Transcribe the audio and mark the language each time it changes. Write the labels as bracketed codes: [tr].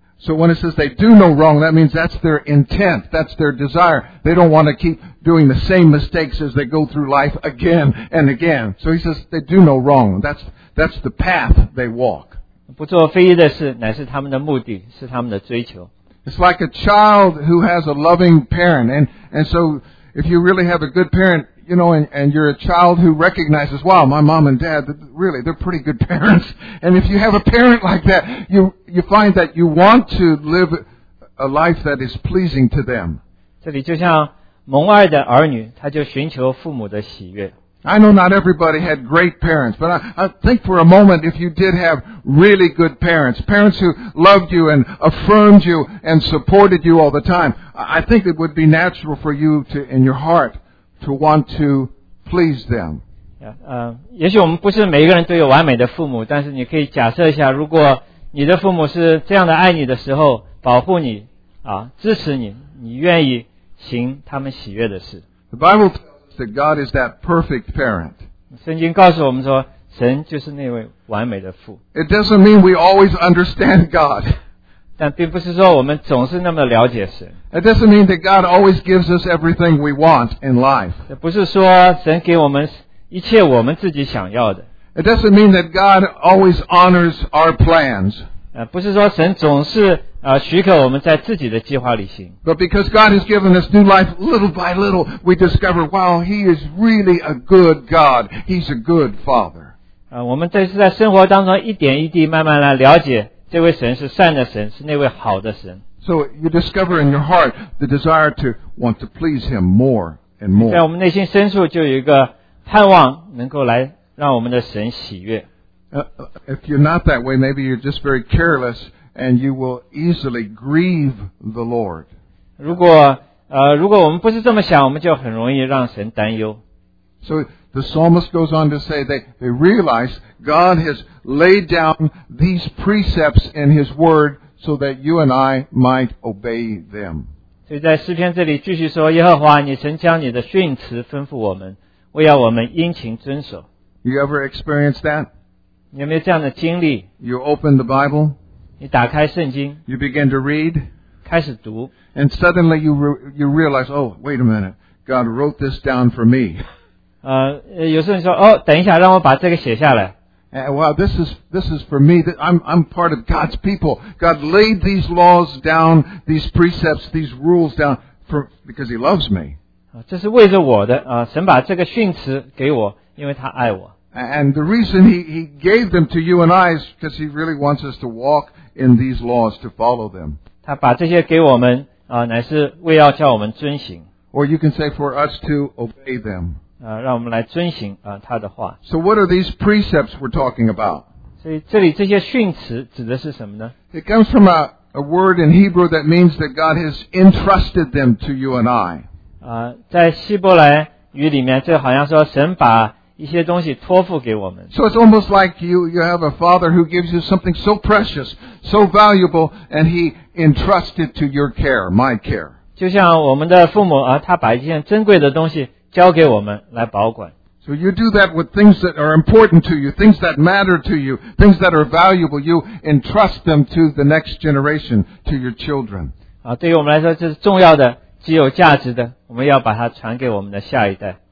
[en] So when it says they do no wrong, that means that's their intent, that's their desire. They don't want to keep doing the same mistakes as they go through life again and again. So he says they do no wrong. That's the path they walk. [zh] 不做非义的事乃是他们的目的，是他们的追求。 [en] It's like a child who has a loving parent. And so if you really have a good parent,You know, and you're a child who recognizes, wow, my mom and dad, really, they're pretty good parents. And if you have a parent like that, you find that you want to live a life that is pleasing to them. [zh] 这里就像蒙爱的儿女，他就寻求父母的喜悦。 [en] I know not everybody had great parents, but I think for a moment if you did have really good parents, parents who loved you and affirmed you and supported you all the time, I think it would be natural for you to, in your heart,to want to please them. [zh] 也许我们不是每一个人都有完美的父母，但是你可以假设一下，如果你的父母是这样的爱你的时候，保护你，支持你，你愿意行他们喜悦的事。 [en] The Bible tells us that God is that perfect parent. [zh] 圣经告诉我们说，神就是那位完美的父。 [en] It doesn't mean we always understand God. [zh] 但并不是说我们总是那么了解神。 [en] It doesn't mean that God always gives us everything we want in life. [zh] 不是说神给我们一切我们自己想要的。 [en] It doesn't mean that God always honors our plans. [zh] 不是说神总是许可我们在自己的计划里行。 [en] But because God has given us new life little by little, we discover, wow, He is really a good God. He's a good Father. [zh] 我们这是在生活当中一点一滴慢慢来了解这位神是善的神，是那位好的神。 [en] So you discover in your heart the desire to want to please him more and more. [zh] 在我们内心深处就有一个盼望能够来让我们的神喜悦。 [en] If you're not that way, maybe you're just very careless and you will easily grieve the Lord. [zh] 如果我们不是这么想，我们就很容易让神担忧。 [en] So the psalmist goes on to say they realize God has laid down these precepts in his word so that you and I might obey them. [zh] 所以在诗篇这里继续说，耶和华，你曾将你的训词吩咐我们，为要我们殷勤遵守。 [en] You ever experienced that? [zh] 你有没有这样的经历？ [en] You open the Bible. [zh] 你打开圣经。 [en] You begin to read. [zh] 开始读。 [en] And suddenly you realize, oh, wait a minute, God wrote this down for me. [zh] 有时候你说，哦，等一下，让我把这个写下来。 [en] Well, this is for me. I'm part of God's people. God laid these laws down, these precepts, these rules down because He loves me. [zh] 这是为着我的神把这个训词给我，因为他爱我。 [en] And the reason he gave them to you and I is because He really wants us to walk in these laws, to follow them. [zh] 他把这些给我们乃是为要叫我们遵行。 [en] Or you can say for us to obey them. [zh] 让我们来遵行他的话。 [en] So what are these precepts we're talking about? [zh] 所以这里这些训词指的是什么呢？ [en] It comes from a word in Hebrew that means that God has entrusted them to you and I. [zh] 在希伯来语里面，这好像说神把一些东西托付给我们。 [en] So it's almost like you have a father who gives you something so precious, so valuable, and he entrusts it to your care, my care. [zh] 就像我们的父母他把一件珍贵的东西交给我们来保管。 [en] So you do that with things that are important to you, things that matter to you, things that are valuable. You entrust them to the next generation, to your children. [zh] 对于我们来说，这是重要的、极有价值的，我们要把它传给我们的下一代。